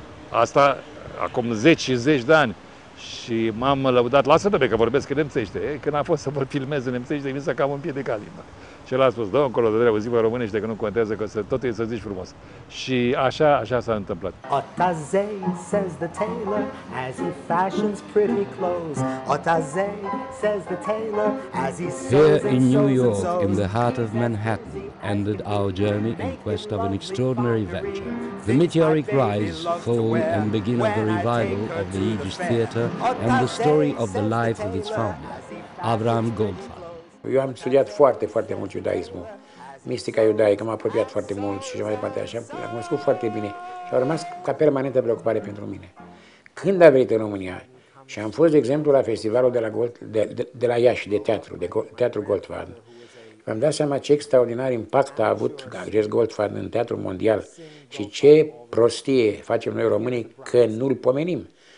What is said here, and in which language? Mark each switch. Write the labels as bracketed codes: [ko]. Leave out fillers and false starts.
[ro] Asta acum zeci și zeci de ani. Și m-am lăudat, lasă-te că vorbesc nemțește. Când a fost să vă filmez în nemțește, mi s-a cam împiedicat limba. Și el a spus, dă-o încolo de dreapă, zi-vă românește, că nu contează, că tot e să zici frumos. Și așa, așa s-a întâmplat. [en] Otazei, says the tailor, as he fashions pretty clothes. Otazei, says the tailor, as he sews. Here in New York, in the heart of Manhattan, ended our journey in quest of an extraordinary venture. The meteoric rise, fall and begin of the revival of the Yiddish theater and the story of the life of its founder, Avraham Goldfarb. [ro] Eu am studiat foarte, foarte mult iudaismul, mistica iudaică, m-a apropiat foarte mult și mai departe așa, l-am cunoscut foarte bine și a rămas ca permanentă preocupare pentru mine. Când am venit în România și am fost, de exemplu, la festivalul de la Iași, de teatru, de teatru Goldfarb, v-am dat seama ce extraordinar impact a avut acest Goldfarb în teatrul mondial și ce prostie facem noi românii că nu-l pomenim.